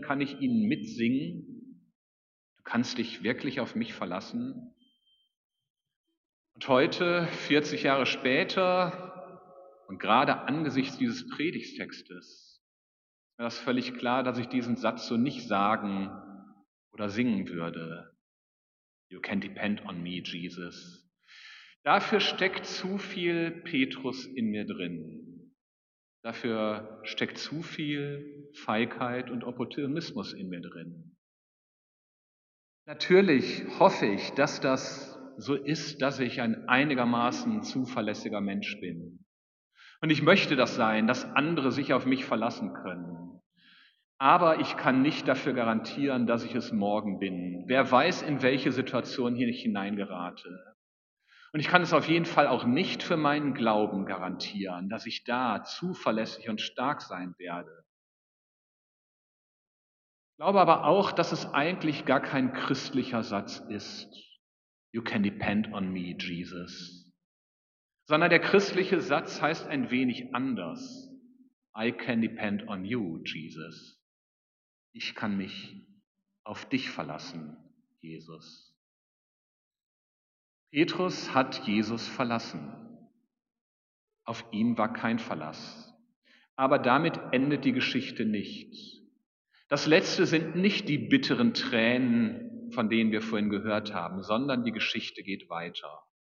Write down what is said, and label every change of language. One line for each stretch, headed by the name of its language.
German: Kann ich ihn mitsingen? Du kannst dich wirklich auf mich verlassen? Und heute, 40 Jahre später, und gerade angesichts dieses Predigtstextes ist das völlig klar, dass ich diesen Satz so nicht sagen oder singen würde.
English: You can depend on me, Jesus.
German: Dafür steckt zu viel Petrus in mir drin. Dafür steckt zu viel Feigheit und Opportunismus in mir drin. Natürlich hoffe ich, dass das so ist, dass ich ein einigermaßen zuverlässiger Mensch bin. Und ich möchte das sein, dass andere sich auf mich verlassen können. Aber ich kann nicht dafür garantieren, dass ich es morgen bin. Wer weiß, in welche Situation hier ich hineingerate. Und ich kann es auf jeden Fall auch nicht für meinen Glauben garantieren, dass ich da zuverlässig und stark sein werde. Ich glaube aber auch, dass es eigentlich gar kein christlicher Satz ist.
English: You can depend on me, Jesus.
German: Sondern der christliche Satz heißt ein wenig anders.
English: I can depend on you, Jesus.
German: Ich kann mich auf dich verlassen, Jesus. Petrus hat Jesus verlassen. Auf ihn war kein Verlass. Aber damit endet die Geschichte nicht. Das Letzte sind nicht die bitteren Tränen, von denen wir vorhin gehört haben, sondern die Geschichte geht weiter.